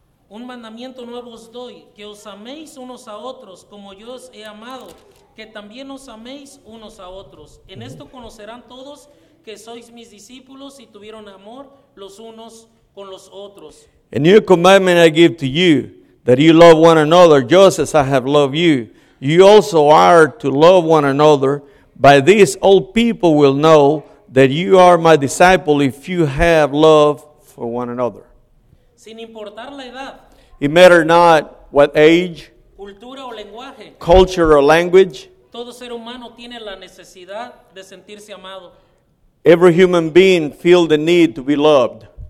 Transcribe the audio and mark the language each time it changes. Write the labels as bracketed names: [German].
[Spanish] Un mandamiento nuevo os doy, que os améis unos a otros como yo os he amado, que también os améis unos a otros. En esto conocerán todos que sois mis discípulos y tuvieron amor los unos con los otros. [English] A new commandment I give to you, that you love one another just as I have loved you. You also are to love one another. By this all people will know that you are my disciple if you have love for one another. [Spanish] Sin importar la edad, [English] it matter not what age, [Spanish] cultura o lenguaje, [English] culture or language, [Spanish] todo ser humano tiene la necesidad de sentirse amado. [English] Every human being feels the need to be loved.